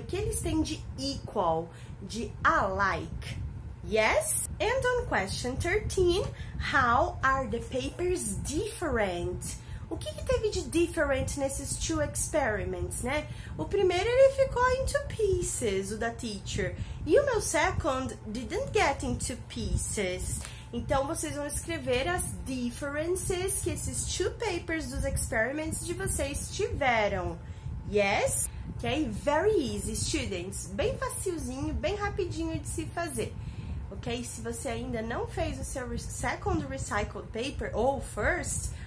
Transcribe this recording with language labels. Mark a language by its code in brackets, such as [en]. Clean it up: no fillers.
[pt] O que eles têm de equal, de alike. [en] Yes? And on question 13, how are the papers different? [pt] O que teve de different nesses [en] two experiments, [pt] né? O primeiro, ele ficou [en] in two pieces, [pt] o da teacher. E o meu [en] second didn't get in two pieces. [pt] Então, vocês vão escrever as differences que esses [en] two papers [pt] dos experiments de vocês tiveram. Yes? Ok? [en] Very easy, students. [pt] Bem facilzinho, bem rapidinho de se fazer. Ok? Se você ainda não fez o seu second recycled paper ou first...